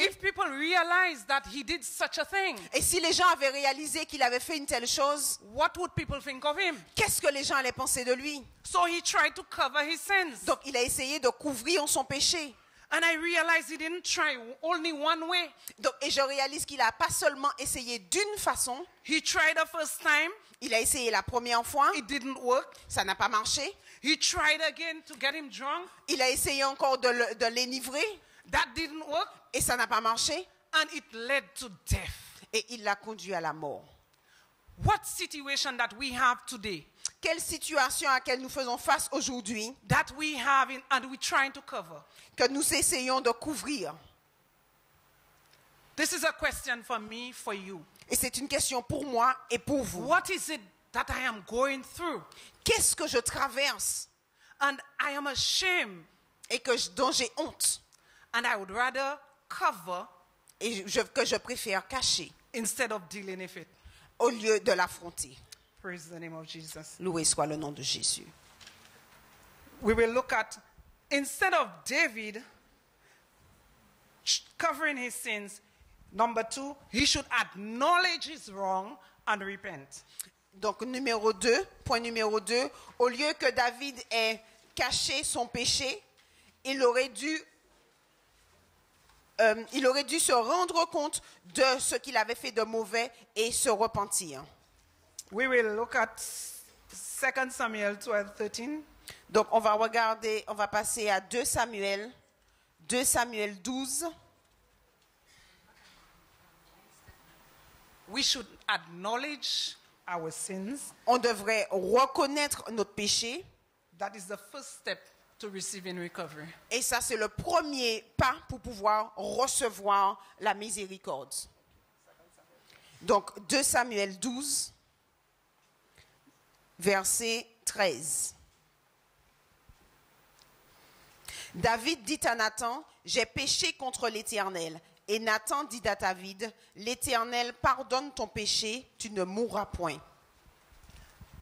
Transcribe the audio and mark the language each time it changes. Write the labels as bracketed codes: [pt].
[en] If people realized that he did such a thing, [fr] et si les gens avaient réalisé qu'il avait fait une telle chose, [en] what would people think of him? [fr] Qu'est-ce que les gens allaient penser de lui? [en] So he tried to cover his sins. [fr] Donc il a essayé de couvrir son péché. [en] And I realized he didn't try only one way. [fr] Donc, et je réalise qu'il a pas seulement essayé d'une façon. [en] He tried the first time. [fr] Il a essayé la première fois. [en] It didn't work. [fr] Ça n'a pas marché. [en] He tried again to get him drunk. [fr] Il a essayé encore de l'enivrer. [en] That didn't work. [fr] Et ça n'a pas marché. [en] And it led to death. [fr] Et il l'a conduit à la mort. [en] What situation that we have today? [fr] Quelle situation à laquelle nous faisons face aujourd'hui? [en] That we have in, and we're trying to cover. [fr] Que nous essayons de couvrir. [en] This is a question for me, for you. [fr] Et c'est une question pour moi et pour vous. [en] What is it that I am going through? [fr] Qu'est-ce que je traverse? [en] And I am ashamed. [fr] Et que dont j'ai honte. [en] And I would rather cover. [fr] Et que je préfère cacher. [en] Instead of dealing with it. [fr] Au lieu de l'affronter. [en] Praise the name of Jesus. [fr] Loué soit le nom de Jésus. [en] We will look at, instead of David covering his sins, number two, he should acknowledge his wrong and repent. [fr] Donc numéro deux, point numéro deux, au lieu que David ait caché son péché, il aurait dû se rendre compte de ce qu'il avait fait de mauvais et se repentir. [en] We will look at 2 Samuel 12:13. [fr] Donc on va regarder, on va passer à 2 Samuel. 2 Samuel 12. [en] We should acknowledge our sins. [fr] On devrait reconnaître notre péché. [en] That is the first step to receiving recovery. [fr] Et ça c'est le premier pas pour pouvoir recevoir la miséricorde. Donc 2 Samuel 12, verset 13. David dit à Nathan, « J'ai péché contre l'Éternel. » Et Nathan dit à David, « L'Éternel pardonne ton péché, tu ne mourras point. »